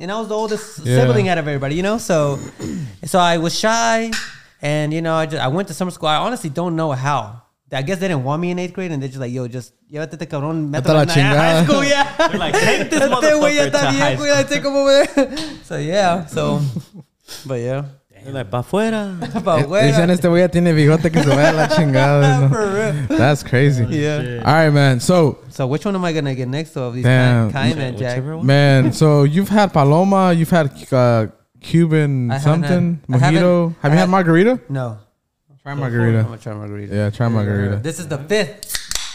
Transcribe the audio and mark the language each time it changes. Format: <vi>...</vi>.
<en>And I was the oldest sibling out of everybody, you know? So I was shy. And, you know, I went to summer school. I honestly don't know how. I guess they didn't want me in 8th grade. And they're just like, yo, just...</en> <es>Llévate este cabrón. Mételo en</es> <en>high school, yeah. They're like, take this motherfucker to high school. Yeah, take him over there. So, yeah. So, but, yeah. Like,</en> <es>pa' fuera. Dicen, este güey ya tiene bigote que se vaya la chingada.</es> <en>For real. That's crazy. Oh, yeah. All right, man. So. So, which one am I going to get next to of these guys? Kind of, Jack. Man, so you've had Paloma. You've had Cuban something. Mojito. Have you had margarita? No. Try margarita. I'm going to try margarita. Yeah, margarita. This is the 5th.</en>